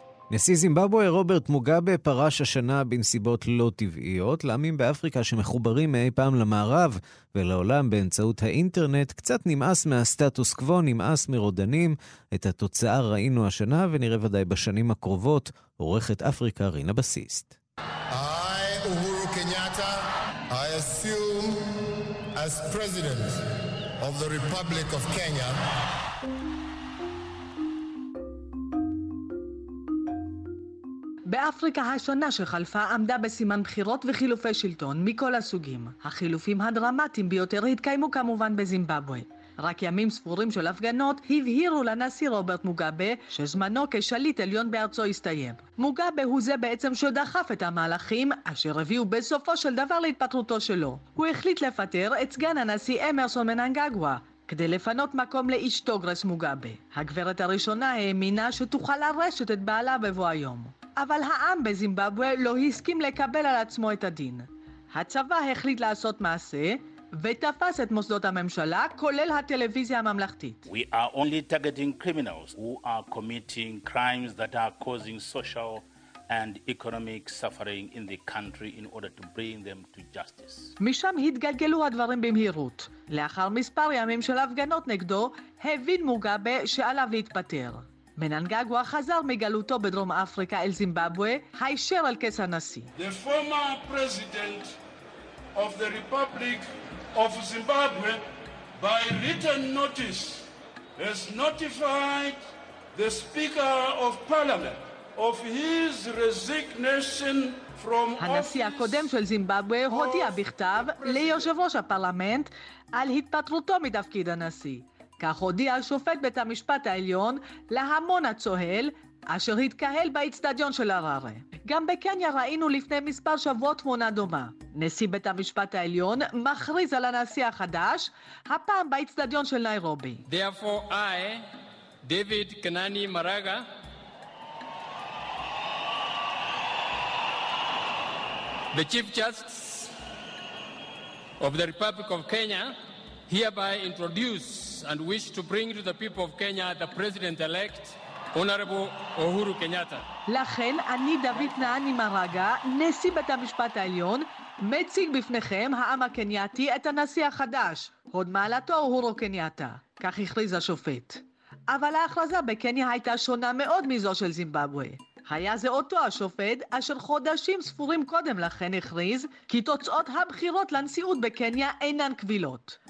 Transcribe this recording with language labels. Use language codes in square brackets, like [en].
[he] נשיא זימבבואה רוברט מוגאבה פרש השנה בנסיבות לא טבעיות. לעמים באפריקה שמחוברים מאי פעם למערב ולעולם באמצעות האינטרנט, קצת נמאס מהסטטוס קוו, נמאס מרודנים. את התוצאה ראינו השנה ונראה ודאי בשנים הקרובות. עורכת אפריקה רינה בסיסט. [en] I, Uhuru Kenyatta, I assume as president of the Republic of Kenya. [he] באפריקה השונה שחלפה עמדה בסימן בחירות וחילופי שלטון מכל הסוגים. החילופים הדרמטיים ביותר התקיימו כמובן בזימבבואה. רק ימים ספורים של הפגנות הבהירו לנשיא רוברט מוגאבה שזמנו כשליט עליון בארצו הסתיים. מוגאבה הוא זה בעצם שדחף את המהלכים אשר הביאו בסופו של דבר להתפטרותו שלו. הוא החליט לפטר את סגן הנשיא אמרסון מננגגווה כדי לפנות מקום לאשתו גרס מוגאבה. הגברת הראשונה האמינה שתוכל לרשת את בעלה בבוא היום. אבל העם בזימבבואה לא הסכים לקבל על עצמו את הדין. הצבא החליט לעשות מעשה ותפס את מוסדות הממשלה, כולל הטלוויזיה הממלכתית. [en] We are only targeting criminals who are committing crimes that are causing social and economic suffering in the country in order to bring them to justice. [he] משם התגלגלו הדברים במהירות. לאחר מספר ימים של הפגנות נגדו, הבין מוגאבה שעליו להתפטר. מננגגווה חזר מגלותו בדרום אפריקה אל זימבבואה, הישר על כס הנשיא. [en] The former president of the Republic of Zimbabwe, by written notice, has notified the Speaker of Parliament of his resignation from office. [he] הנשיא הקודם של זימבבואה הודיע בכתב ליושב ראש הפרלמנט על התפטרותו מתפקיד הנשיא. כך הודיע שופט בית המשפט העליון להמון הצוהל, אשר התקהל באצטדיון של הררה. גם בקניה ראינו לפני מספר שבועות תמונה דומה. נשיא בית המשפט העליון מכריז על הנשיא החדש, הפעם באצטדיון של ניירובי. [en] Therefore I, David Kenani Maraga, the Chief Justice of the Republic of Kenya, hereby introduce and wish to bring to the people of Kenya the president-elect, Honorable Uhuru Kenyatta. [he] לכן אני דוד נעני מרגה, נשיא בית המשפט העליון, מציג בפניכם העם הקנייתי את הנשיא החדש, הוד מעלתו אוהורו קנייתה, כך הכריז השופט. אבל ההכרזה בקניה הייתה שונה מאוד מזו של זימבבואה. היה זה אותו השופט אשר חודשים ספורים קודם לכן הכריז כי תוצאות הבחירות לנשיאות בקניה אינן קבילות.